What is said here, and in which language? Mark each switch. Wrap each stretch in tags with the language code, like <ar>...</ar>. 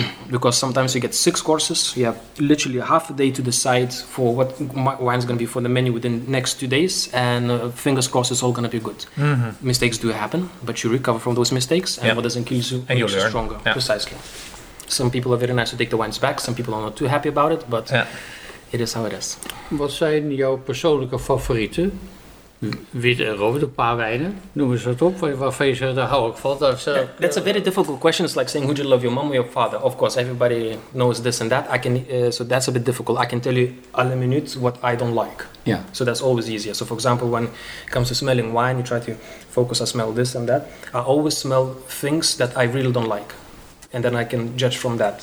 <en>Because sometimes you get 6 courses, you have literally half a day to decide for what wine is going to be for the menu within the next 2 days, and fingers crossed it's all going to be good. Mm-hmm. Mistakes do happen, but you recover from those mistakes, and what doesn't kill you and makes you stronger. Yeah. Precisely. Some people are very nice to take the wines back, some people are not too happy about it, but it is how it is.</en> <nl>Wat zijn jouw persoonlijke favorieten? Wit en rood, een paar wijnen, noemen ze het op, waarvan je zegt, daar hou ik van.</nl> <en>That's a very difficult question. It's like saying, would you love your mom or your father? Of course, everybody knows this and that. So that's a bit difficult. I can tell you à la minute what I don't like. Yeah. So that's always easier. So for example, when it comes to smelling wine, you try to focus, I smell this and that. I always smell things that I really don't like. And then I can judge from that.</en>